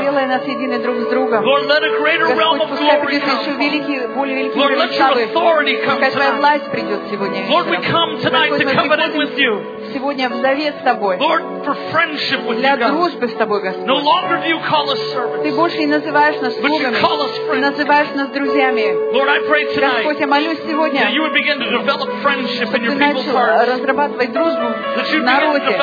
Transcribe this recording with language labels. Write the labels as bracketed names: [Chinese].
[Russian] Сделай нас едины друг с другом. [English] Lord, let a greater realm of glory come. [Russian] Господь, пускай придет еще великий, более великий мир. [English] Lord, let Your authority come tonight. [Russian] Пускай Твоя власть придет сегодня. [English] Lord, we come tonight to covenant with You. [Russian] Сегодня в завет с Тобой. [English] Lord, for friendship with You, God. [Russian] Для дружбы с Тобой, Господь. [English] No longer do You call us servants. [Russian] Ты больше не называешь нас слугами. [English] But You call us friends. [Russian] Ты называешь нас друзьями. [English] Lord, I pray tonight. [Russian] Господь, я молюсь сегодня. [English] That You would begin to develop friendship in Your people's hearts. [Russian] Чтобы ты начал разрабатывать дружбу.